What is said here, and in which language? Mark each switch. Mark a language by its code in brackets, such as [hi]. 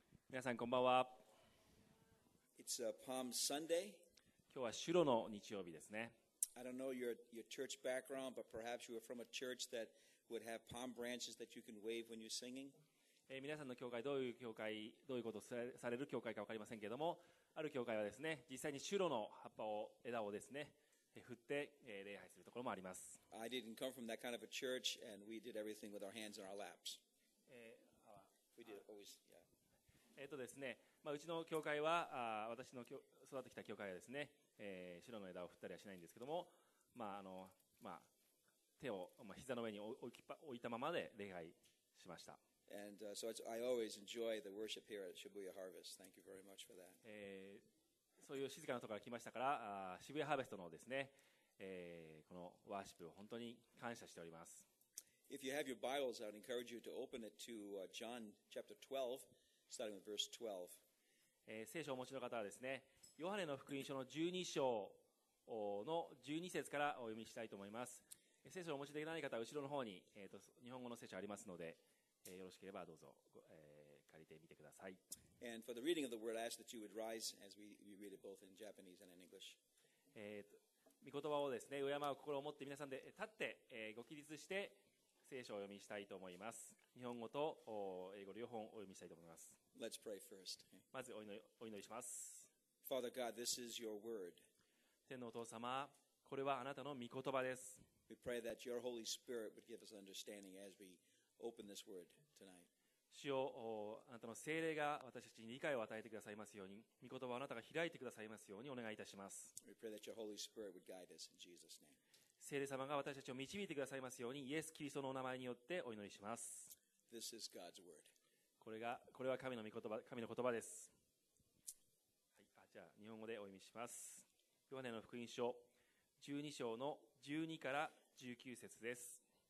[ja] 皆さん、こんばんは。 [en] It's a Palm Sunday. [ja] 今日はシュロの日曜日ですね。 [en] I don't know your church background, but perhaps you are from a church that would have palm branches that you can wave when you're singing. [ja] 皆さんの教会、どういう教会、どういうことをされる教会か分かりませんけれども、ある教会はですね、実際にシュロの葉っぱを、枝をですね、振って礼拝するところもあります。 [en] I didn't come from that kind of a church, and we did everything with our hands in our laps. We did always, yeah. [ja] ですね、まあ、うちの教会は私の育ってきた教会はですね、白の枝を振ったりはしないんですけども、まああのまあ、手を、まあ、膝の上に置いたままで礼拝しました。 [en] And, so I always enjoy the worship here at Shibuya Harvest. Thank you very much for that. [ja] そういう静かなところから来ましたから、渋谷ハーベストのですね、このワーシップを本当に感謝しております。 [en] If you have your Bibles, I would encourage you to open it to John chapter 12. Starting with verse 12. [ja] 聖書をお持ちの方はですね、ヨハネの福音書の12章の12節からお読みしたいと思います。聖書をお持ちできない方は後ろの方に、日本語の聖書ありますので、よろしければどうぞ、借りてみてください。 [en] And for the reading of the word, I ask that you would rise as we read it both in Japanese and in English. [ja] 御言葉をですね、敬う心を持って皆さんで立って、ご起立して、聖書を読みしたいと思います。日本語と英語両方お読みしたいと思います。 [en] Let's pray first. [ja] まずお祈りします。 [en] Father God, this is your word. [ja] 天のお父様、これはあなたの御言葉です。 [en] We pray that your Holy Spirit would give us understanding as we open this word tonight. [ja] 主よ、あなたの聖霊が私たちに理解を与えてくださいますように、御言葉をあなたが開いてくださいますようにお願いいたします。 [en] We pray that your Holy Spirit would guide us in Jesus name. [ja] 聖霊様が私たちを導いてくださいますように、イエス・キリストのお名前によってお祈りします。 [en] This is God's word. [ja] これは神の御言葉、神の言葉です、はい、じゃあ日本語でお読みします。ヨハネの福音書 12章の12から19節です。